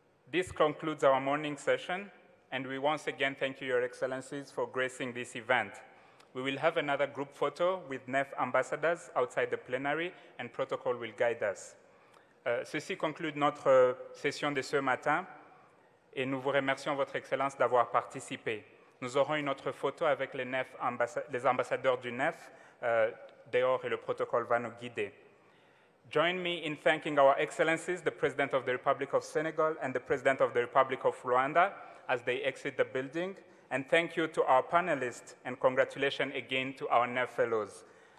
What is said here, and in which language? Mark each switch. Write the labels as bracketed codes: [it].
[en] This concludes our morning session. And we once again thank you, Your Excellencies, for gracing this event. We will have another group photo with NEF ambassadors outside the plenary, and protocol will guide us. [fr] Ceci conclut notre session de ce matin, et nous vous remercions, Votre Excellence, d'avoir participé. Nous aurons une autre photo avec les ambassadeurs du NEF, dehors, et le protocole va nous guider. [en] Join me in thanking Our Excellencies, the President of the Republic of Senegal and the President of the Republic of Rwanda, as they exit the building. And thank you to our panelists, and congratulations again to our NEF fellows.